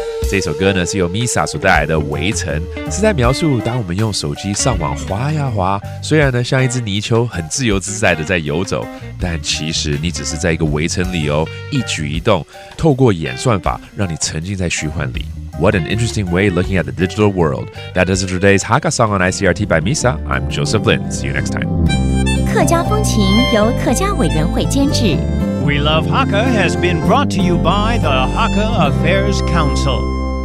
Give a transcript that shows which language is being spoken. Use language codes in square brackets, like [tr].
[zh] 这首歌呢是由 Misa 所带来的《围城》，是在描述当我们用手机上网滑呀滑，虽然呢像一只泥鳅很自由自在的在游走，但其实你只是在一个围城里哦，一举一动透过演算法让你沉浸在虚幻里。 [en] What an interesting way looking at the digital world. That does it for today's Hakka song on ICRT by Misa. I'm Joseph Lin. See you next time. [zh] 客家风情由客家委员会监制。 [en] We Love Hakka has been brought to you by the Hakka Affairs Council.